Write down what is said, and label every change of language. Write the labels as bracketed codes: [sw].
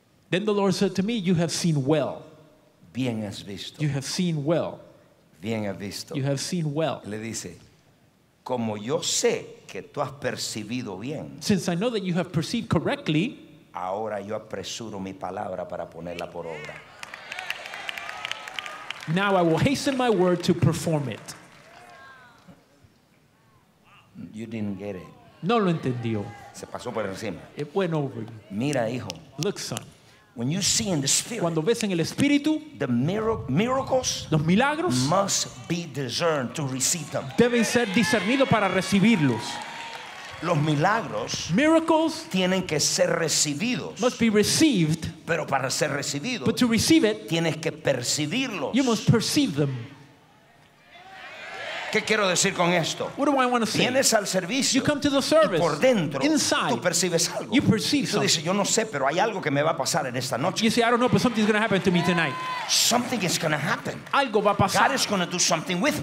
[en] Then the Lord said to me, you have seen well. [es] Bien has visto. [en] You have seen well. [es] Bien has visto. [en] You have seen well. [es] Le dice, como yo sé que tú has percibido bien. [en] Since I know that you have perceived correctly. [es] Ahora yo apresuro mi palabra para ponerla por obra. [en] Now I will hasten my word to perform it. You didn't get it. [es] No lo entendió. Se pasó por encima. [en] It went over you. [es] Mira, hijo. [en] Look, son. When you see in the spirit, [es] cuando ves en el espíritu, [en] the miracles, [es] los milagros, [en] must be discerned to receive them. [es] Deben ser discernidos para recibirlos. Los milagros, [en] miracles, [es] tienen que ser recibidos. [en] Must be received. [es] Pero para ser recibido, [en] but to receive it, [es] tienes que percibirlos. [en] You must perceive them. [es] ¿Qué quiero decir con esto? [en] What do I want to say? [es] Vienes al servicio. [en] You come to the service. [es] Y por dentro, [en] inside, [es] tú percibes algo. [en] You perceive something. [es] Tú dices, yo no sé, pero hay algo que me va a pasar en esta noche. [en] You say, I don't know, but something's going to happen to me tonight. Something is going to happen. [es] Algo va a pasar. [en] God is going to do something with me.